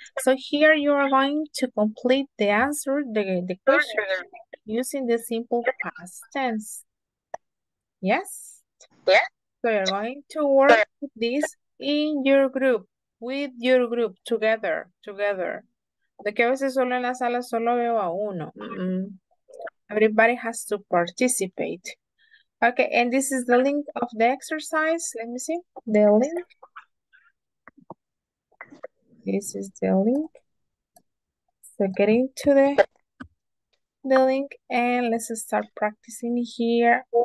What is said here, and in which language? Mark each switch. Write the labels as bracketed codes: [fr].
[en] So here you are going to complete the answer, the question using the simple past tense. Yes? Yeah. So you're going to work this in your group, with your group, together. [es] De que a veces solo en la sala solo veo a uno. [en] Everybody has to participate. Okay, and this is the link of the exercise. Let me see the link. This is the link. So get into the link and let's start practicing here